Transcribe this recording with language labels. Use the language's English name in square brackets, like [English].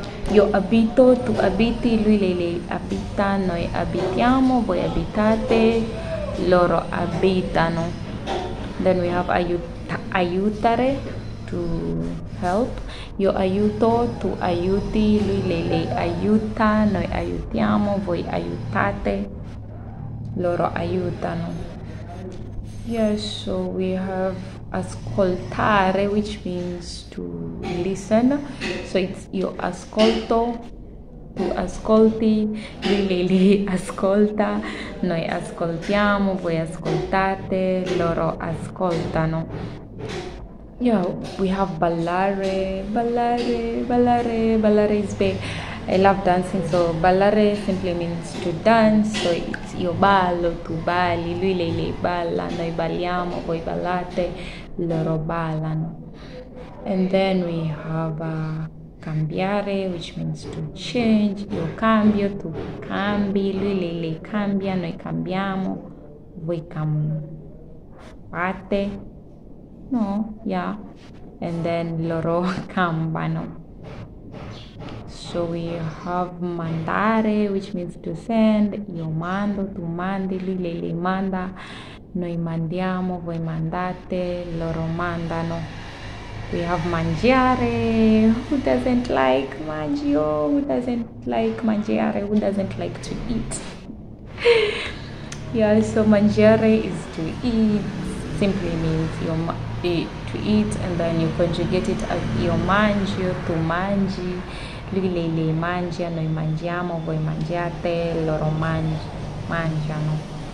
[Italian] Io abito, tu abiti, lui, lei abita, noi abitiamo, voi abitate, loro abitano. [English] Then we have aiutare, to help. [Italian] Io aiuto, tu aiuti, lui, lei aiuta, noi aiutiamo, voi aiutate, loro aiutano. [English] Yes, so we have ascoltare, which means to listen. So it's [Italian] io ascolto, tu ascolti, lei ascolta, noi ascoltiamo, voi ascoltate, loro ascoltano. [English] Yeah, we have ballare is big. I love dancing, so ballare simply means to dance. So it's [Italian] io ballo, tu balli, lui lei balla, noi balliamo, voi ballate, loro ballano. [English] And then we have cambiare, which means to change. [Italian] Io cambio, tu cambi, lui lei cambia, noi cambiamo, voi cambiate. [English] No, yeah. And then [Italian] loro cambano. [English] So we have mandare, which means to send. [Italian] Io mando, tu mandi, lui lei manda, noi mandiamo, voi mandate, loro mandano. [English] We have mangiare, who doesn't like mangio, who doesn't like mangiare, who doesn't like to eat. Yeah, so mangiare is to eat, simply means to eat, and then you conjugate it as [Italian] io mangio, tu mangi, lui lei mangia, noi mangiamo, voi mangiate, loro mangiano.